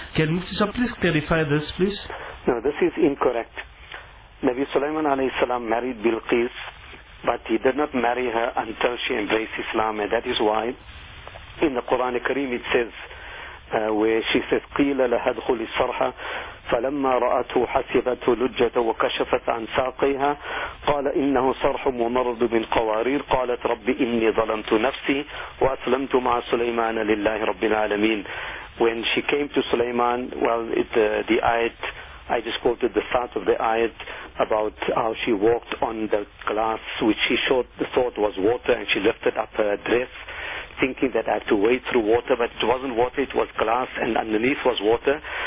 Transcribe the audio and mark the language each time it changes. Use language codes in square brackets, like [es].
[en] Can Mufti Sahab please clarify this, please? No, this is incorrect. Nabi Sulaiman a.s. married Bilqis, but he did not marry her until she embraced Islam, and that is why in the Quran Kareem it says, where she says, [ar] قِيلَ لَهَدْخُلِ الصَّرْحَ, فلما رأته حسبته لجة وكشفت عن ساقيها قال إنه صرح ممرض من قوارير. قالت رب إني ظلمت نفسي وأسلمت مع سليمان لله رب العالمين. [en] When she came to Sulaiman, well, the ayat, I just quoted the start of the ayat about how she walked on the glass, which she thought was water, and she lifted up her dress, thinking that I had to wade through water, but it wasn't water, it was glass, and underneath was water.